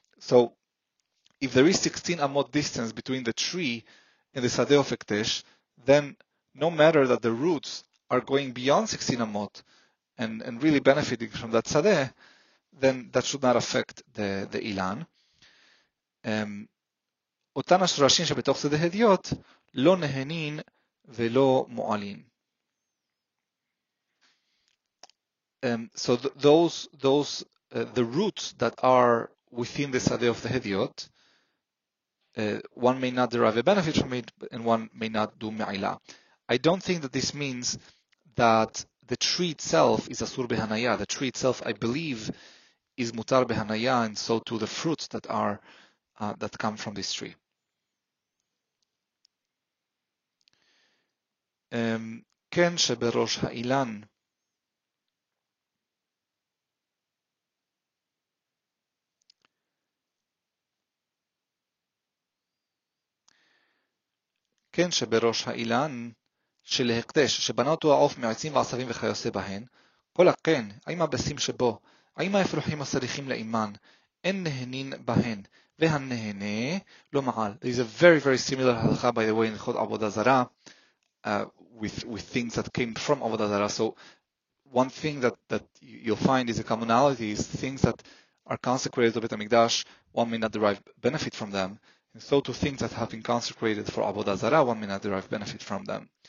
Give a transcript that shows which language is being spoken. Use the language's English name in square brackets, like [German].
[English] So if there is 16 amot distance between the tree and the Sadeh of Hekdesh, then no matter that the roots are going beyond 16 amot and really benefiting from that Sadeh, then that should not affect the Ilan. [Hebrew] אותן השורשים שבתוך שדה הדיוט לא נהנין ולא מועלין. [English] So the roots that are within the Sadeh of the Hediot, one may not derive a benefit from it, and one may not do Me'ila. I don't think that this means that the tree itself is Asur Behanaya. The tree itself, I believe, is Mutar Behanaya, and so too the fruits that are that come from this tree. [Hebrew] כן שבראש האילן. כן שבראש האילן של הקדש, שבנה אותו העוף מעצים ועשבים וכיוסה בהן, כל הכן, האם הבסים שבו, האם האפרוחים הסריחים לאימן, אין נהנין בהן, והנהנה לא מעל. [English] There is a very very similar הלכה, by the way, in הלכות עבודה זרה, with things that came from Avodah Zarah. So one thing that you'll find is a commonality is things that are consecrated to Bet HaMikdash, one may not derive benefit from them. And so to things that have been consecrated for Avodah Zarah, one may not derive benefit from them.